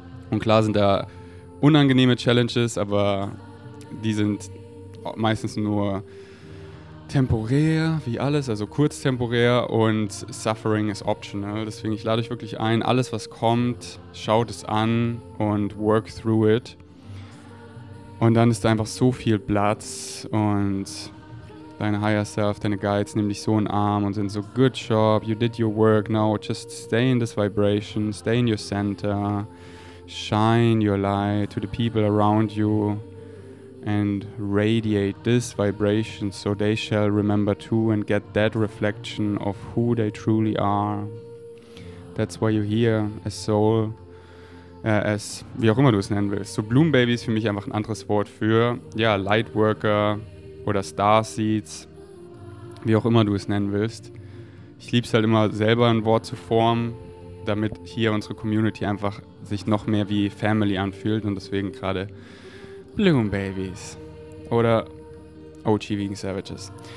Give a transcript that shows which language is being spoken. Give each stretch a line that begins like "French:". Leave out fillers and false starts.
German: Und klar sind da unangenehme Challenges, aber die sind meistens nur temporär, wie alles, also kurz temporär und
English: suffering is optional.
German: Deswegen, ich lade euch wirklich ein, alles was kommt, schaut es an und
English: work through it.
German: Und dann ist da einfach so viel Platz und deine Higher Self, deine Guides nehmen dich so in den Arm und sind so,
English: good job, you did your work, now just stay in this vibration, stay in your center, shine your light to the people around you and radiate this vibration so they shall remember too and get that reflection of who they truly are. That's why you're here, as soul, as,
German: wie auch immer du es nennen willst. So Bloom Baby ist für mich einfach ein anderes Wort für, ja, Lightworker oder Starseeds, wie auch immer du es nennen willst. Ich liebe es halt immer, selber ein Wort zu formen, damit hier unsere Community einfach sich noch mehr wie Family anfühlt und deswegen gerade Bloom Babies oder OG Vegan Savages.